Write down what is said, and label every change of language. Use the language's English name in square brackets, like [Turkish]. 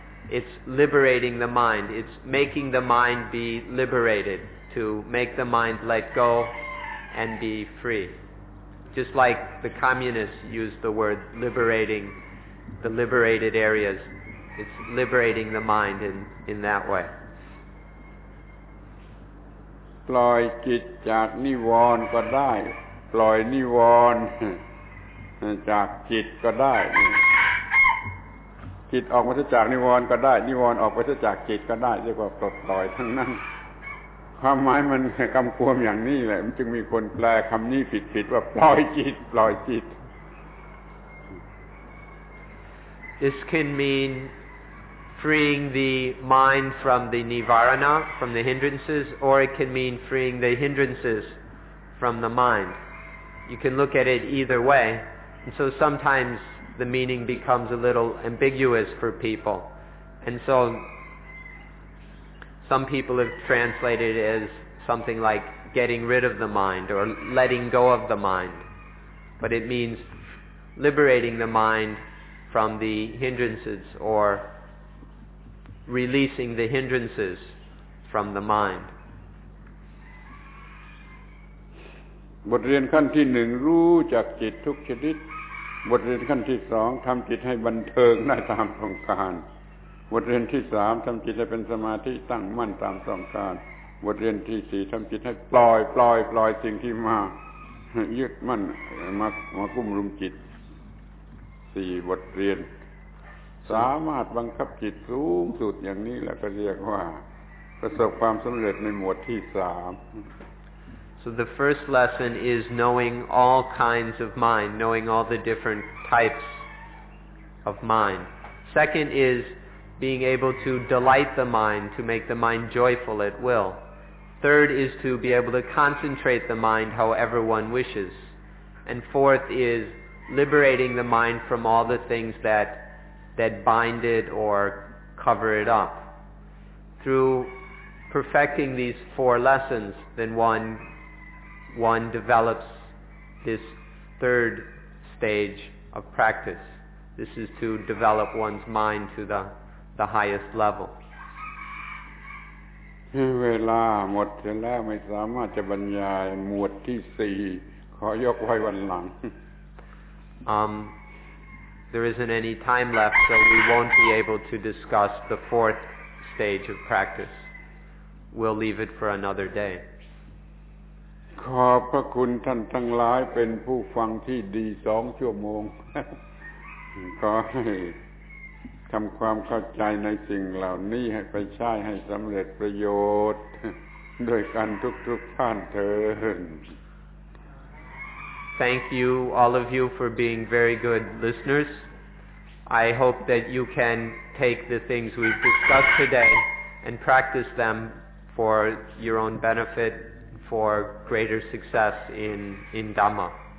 [English] It's liberating the mind. It's making the mind be liberated, to make the mind let go and be free. Just like the communists use the word liberating the liberated areas, it's liberating the mind in that way. [Thai] ปล่อยจิตจากนิวรณ์ก็ได้ปล่อยนิวรณ์จากจิตก็ได้จิตออกมาจากนิวรณ์ก็ได้นิวรณ์ออกไปจากจิตก็ได้เรียกว่าปลดปล่อยทั้งนั้นความหมายมันกำกวมอย่างนี้แหละมันจึงมีคนแปลคำนี้ผิดๆว่าปล่อยจิตปล่อยจิต [English] This can meanfreeing the mind from the nivarana, from the hindrances, or it can mean freeing the hindrances from the mind. You can look at it either way, and so sometimes the meaning becomes a little ambiguous for people. And so some people have translated it as something like getting rid of the mind or letting go of the mind, but it means liberating the mind from the hindrances orreleasing the hindrances from the mind. [Thai] บทเรียนขั้นที่หนึ่งรู้จักจิตทุกชนิดบทเรียนขั้นที่สองทำจิตให้บันเทิงได้ตามต้องการบทเรียนที่สามทำจิตให้เป็นสมาธิตั้งมั่นตามต้องการบทเรียนที่สี่ทำจิตให้ปล่อยสิ่งที่มายึดมั่นมาคุ้มรุมจิตสี่บทเรียนสามารถบังคับจิตสูงสุดอย่างนี้แล้วก็เรียกว่าประสบความสำเร็จในหมวดที่สาม [English] So the first lesson is knowing all kinds of mind, knowing all the different types of mind. Second is being able to delight the mind, to make the mind joyful at will. Third is to be able to concentrate the mind however one wishes. And fourth is liberating the mind from all the things that bind it or cover it up. Through perfecting these four lessons, then one develops this third stage of practice. This is to develop one's mind to the highest level. [Thai] เวลาหมดแล้วไม่สามารถจะบรรยายหมวดที่4ขอยกไว้วันหลัง [English] There isn't any time left, so we won't be able to discuss the fourth stage of practice. We'll leave it for another day. [Thai] ขอบพระคุณท่านทั้งหลายเป็นผู้ฟังที่ดี2ชั่วโมงขอให้ทำความเข้าใจในสิ่งเหล่านี้ให้ไปใช้ให้สำเร็จประโยชน์ด้วยกันทุกท่านเถิด [English] Thank you, all of you, for being very good listeners. I hope that you can take the things we've discussed today and practice them for your own benefit, for greater success in Dhamma.